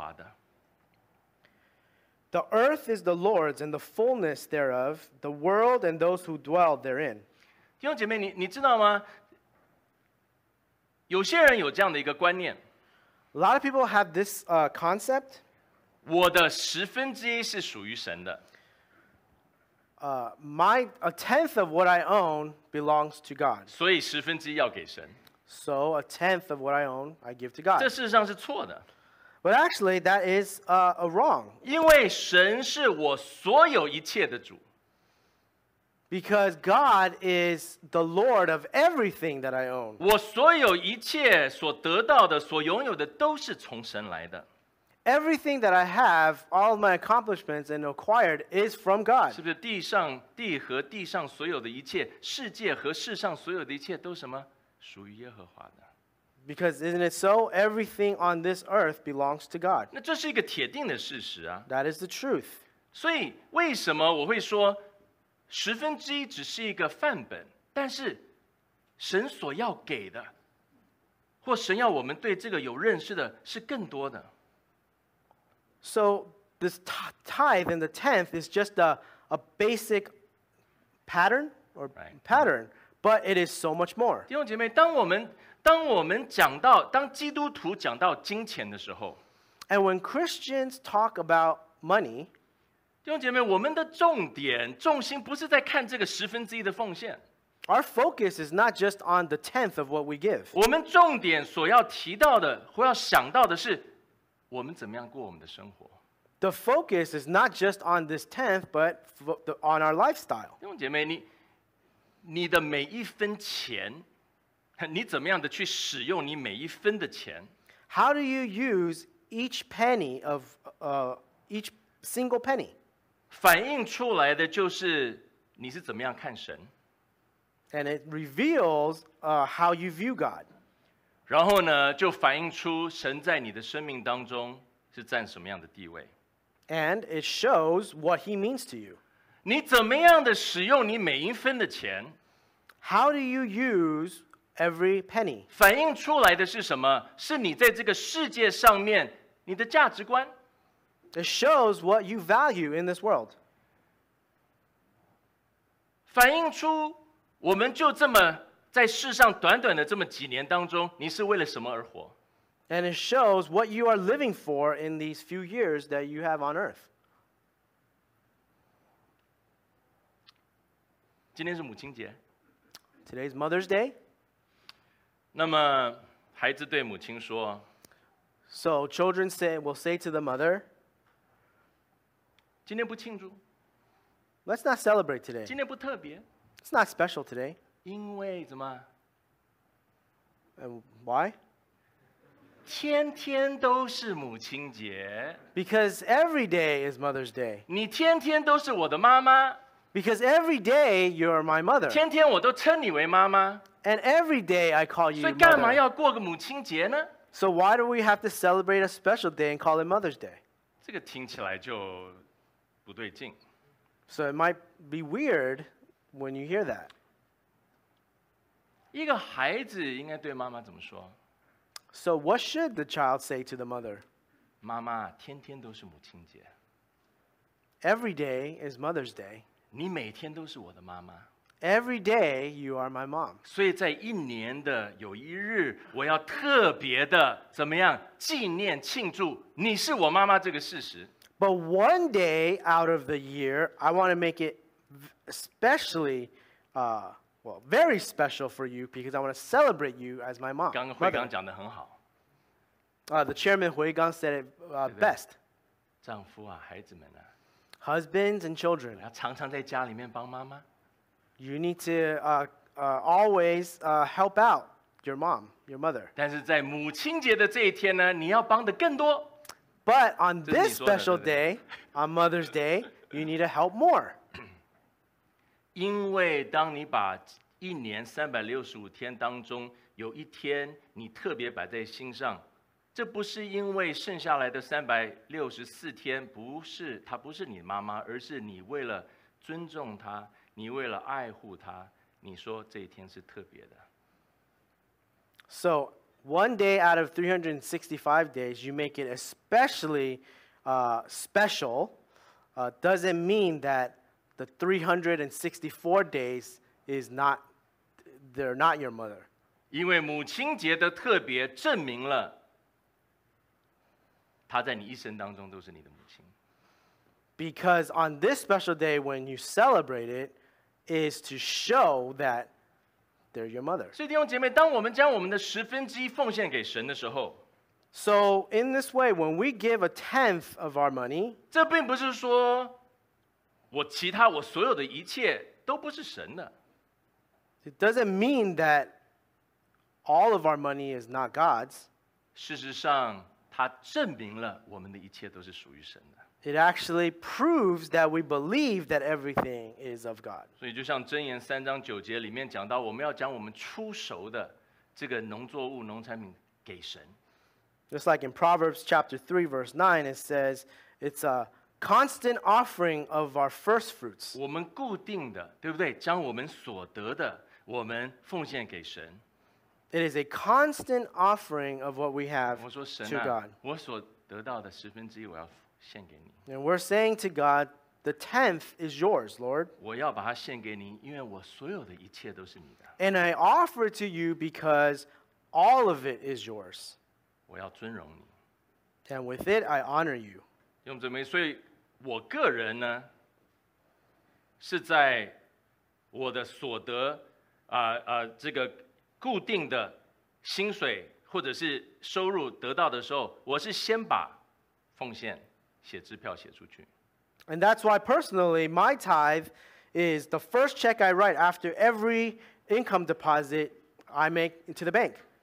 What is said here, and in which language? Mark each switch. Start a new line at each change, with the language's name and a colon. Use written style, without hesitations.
Chinese: 地和地上所充满的，世界和住在世上的，都是属于耶和华的。
English: The earth is the Lord's and the fullness thereof, the world and those who dwell therein.
Chinese: 弟兄姐妹，你知道吗？有些人有这样的一个观念。
English: A lot of people have this concept.
Chinese: 我的十分之一是属于神的。
English: A tenth of what I own belongs to God.
Chinese: 所以十分之一要给神。
English: So a tenth of what I own, I give to God.
Chinese: 这事实上是错的。
English: But actually, that is a wrong.
Chinese: 因为神是我所有一切的主。
English: Because God is the Lord of everything that I own.
Chinese: 我所有一切所得到的、所拥有的，都是从神来的。
English: Everything that I have, all my accomplishments and acquired is from God.
Chinese: 是不是地上地和地上所有的一切，世界和世上所有的一切都什么属于耶和华的？
English: Because isn't it so? Everything on this earth belongs to God.
Chinese: 那这是一个铁定的事实啊。
English: That is the truth.
Chinese: 所以为什么我会说十分之一只是一个范本，但是神所要给的，或神要我们对这个有认识的是更多的。
English: So this tithe and the tenth is just a basic pattern or pattern, but it is so much more.
Chinese: 弟兄姐妹，当我们讲到当基督徒讲到金钱的时候
English: ，and when Christians talk about money,
Chinese: 弟兄姐妹，我们的重点重心不是在看这个十分之一的奉献。
English: Our focus is not just on the tenth of what we give.
Chinese: 我们重点所要提到的或要想到的是。我们怎么样过我们的生活
English: ？The focus is not just on this tenth, but on our lifestyle.
Chinese: 弟兄姐妹，你的每一分钱，你怎么样的去使用你每一分的钱
English: ？How do you use each penny of each single penny?
Chinese: 反映出来的就是你是怎么样看神
English: ，and it reveals how you view God.
Chinese: 然后呢，就反映出神在你的生命当中是占什么样的地位。
English: And it shows what he means to you.
Chinese: 你怎么样的使用你每一分的钱
English: ？How do you use every penny?
Chinese: 反映出来的是什么？是你在这个世界上面你的价值观。
English: It shows what you value in this world.
Chinese: 反映出我们就这么。在世上短短的这么几年当中，你是为了什么而活
English: ？And it shows what you are living for in these few years that you have on earth.
Chinese: 今天是母亲节。
English: Today's Mother's Day.
Chinese: 那么孩子对母亲说
English: ，So children will say to the mother,
Chinese: 今天不庆祝。
English: Let's not celebrate today.
Chinese: 今天不特别。
English: It's not special today.
Chinese: 因为怎么
English: ？Why？
Chinese: 天天都是母亲节。
English: Because every day is Mother's Day。
Chinese: 你天天都是我的妈妈。
English: Because every day you're my mother。
Chinese: 天天我都称你为妈妈。
English: And every day I call you。
Chinese: 所以干嘛要过个母亲节呢
English: ？So why do we have to celebrate a special day and call it Mother's Day？
Chinese: 这个听起来就不对劲。
English: So it might be weird when you hear that。
Chinese: 一个孩子应该对妈妈怎么说
English: ？So what should the child say to the mother?
Chinese: 妈妈，天天都是母亲节。
English: Every day is Mother's Day.
Chinese: 你每天都是我的妈妈。
English: Every day you are my mom.
Chinese: 所以在一年的有一日，我要特别的怎么样纪念庆祝你是我妈妈这个事实。
English: But one day out of the year, I want to make it especially, Well, very special for you because I want to celebrate you as my mom.
Chinese: 刚刚辉刚讲得很好。
English: The chairman 辉刚 said it best.
Chinese: 丈夫啊，孩子们啊。
English: Husbands and children.
Chinese: 要常常在家里面帮妈妈。
English: You need to always help out your mom, your mother.
Chinese: 但是在母亲节的这一天呢，你要帮的更多。
English: But on this special day, on Mother's Day, you need to help more.
Chinese: 因为当你把一年365天当中有一天你特别摆在心上，这不是因为剩下来的364天不是她不是你妈妈，而是你为了尊重她，你为了爱护她，你说这一天是特别的。
English: So one day out of 365 days you make it especially special doesn't mean thatThe 364 days is not, they're not your mother.
Chinese: 因为母亲节的特别证明了她在你一生当中都是你的母亲。
English: Because on this special day when you celebrate it is to show that they're your mother.
Chinese: 所以弟兄姐妹，当我们将我们的十分之一奉献给神的时候
English: So in this way, when we give a tenth of our money,
Chinese: 这并不是说我其他我所有的一切都不是神的。
English: It doesn't mean that all of our money is not God's.
Chinese: 事实上，它证明了我们的一切都是属于神的。
English: It actually proves that we believe that everything is of God.
Chinese: 所以就像箴言三章九节里面讲到，我们要将我们出熟的这个农作物、农产品给神。
English: Just like in Proverbs chapter 3 verse 9, it says it's a constant offering of our first fruits.
Chinese: 我们固定的，对不对？将我们所得的，我们奉献给神。
English: It is a constant offering of what we have to God.
Chinese: 我所得到的十分之一，我要献给你。
English: And we're saying to God, the tenth is yours, Lord.
Chinese: 我要把它献给你，因为我所有的一切都是你的。
English: And I offer it to you because all of it is yours.
Chinese: 我要尊荣你。
English: And with it, I honor you.
Chinese: 弟兄姊妹，所以我个人呢，是在我的所得，这个固定的薪水或者是收入得到的时候，我是先把奉献写支票写出去。
English: And that's why personally, my tithe is the first check I write after every income deposit I make into the bank.